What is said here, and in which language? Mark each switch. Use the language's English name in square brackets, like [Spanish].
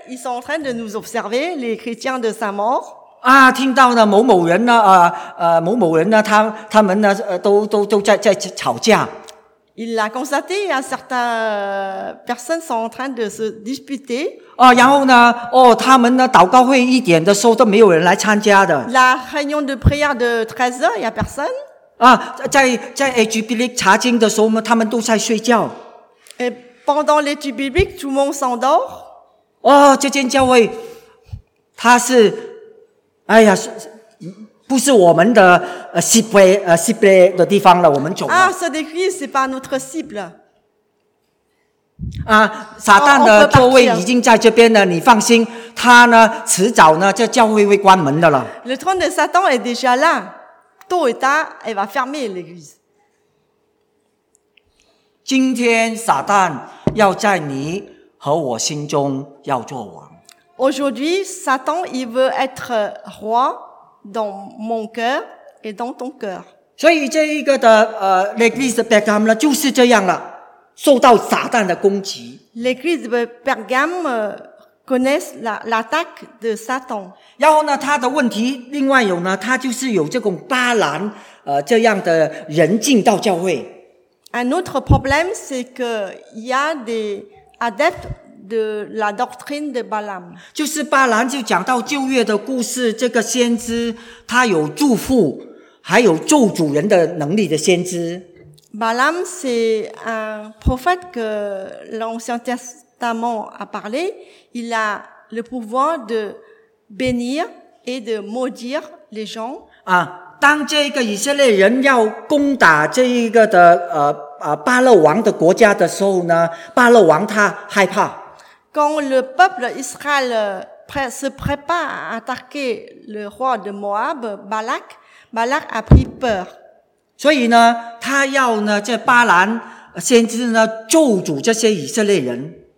[French] Ils sont en train de nous observer, les chrétiens de Saint-Maur. [Chinese] 啊，听到呢某某人呢，某某人呢，他们呢，都在吵架。 [French] Il a constaté à certaines personnes sont en train de se disputer. [Chinese] 啊，然后呢，哦，他们呢，祷告会一点的时候都没有人来参加的。 [French] La réunion de prière de 13 heures, il y a personne. [Chinese] 啊，在 [French] étude biblique [Chinese] 查经的时候，他们都在睡觉。 [French] Et pendant l'étude biblique, tout le monde s'endort. [Chinese] 哦，这间教会，他是。哎呀，不是我们的cible 的地方了，我们走了。 [French] Ah, cette église, c'est pas notre cible. [Chinese] 啊，撒旦的座位已经在这边了，你放心，他呢，迟早呢，这教会会关门的了。 [French] Le trône de Satan est déjà là. Tôt et tard, elle va fermer l'église. [Chinese] 今天撒旦要在你和我心中要做王。 [French] Aujourd'hui, Satan, il veut être roi dans mon cœur et dans ton cœur. [Chinese] 所以这一个的 [French] l'église de Pergame [Chinese] 呢，就是这样了，受到撒旦的攻击。 [French] L'église de Pergame connaît l'attaque de Satan. [Chinese] 然后呢，他的问题另外有呢，他就是有这种巴兰这样的人进到教会。 [French] Un autre problème, c'est qu'il y a des adeptes de la doctrine de Balaam. [Chinese] 就是巴兰就讲到旧约的故事，这个先知他有祝福，还有咒诅人的能力的先知。 [French] Balaam, c'est un prophète que l'Ancien Testament a parlé. Il a le pouvoir de bénir et de maudire les gens. [Chinese] 啊，当这个以色列人要攻打这一个的巴勒王的国家的时候呢，巴勒王他害怕。 [French] Quand le peuple Israël se prépare à attaquer le roi de Moab, Balak a pris peur. [Chinese] 所以呢，他要呢，这巴兰先知呢咒诅这些以色列人。